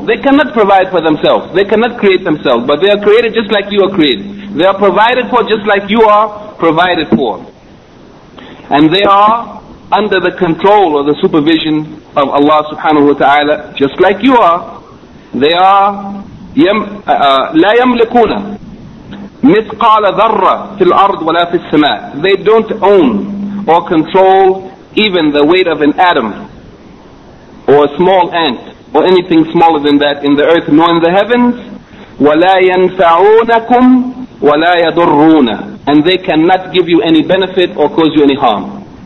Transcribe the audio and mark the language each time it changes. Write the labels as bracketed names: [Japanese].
[English] They cannot provide for themselves. They cannot create themselves. But they are created just like you are created. They are provided for just like you are provided for. And they are under the control or the supervision of Allah subhanahu wa ta'ala, just like you are. They are [Arabic] لَا يَمْلِكُونَ مِثْقَالَ ذَرَّ فِي الْأَرْضِ وَلَا فِي السَّمَاءِ. [English] They don't own or control even the weight of an atom, or a small ant, or anything smaller than that in the earth nor in the heavens. [Arabic] وَلَا يَنْفَعُونَكُمْ وَلَا يَضُرُّونَ. [English] And they cannot give you any benefit or cause you any harm.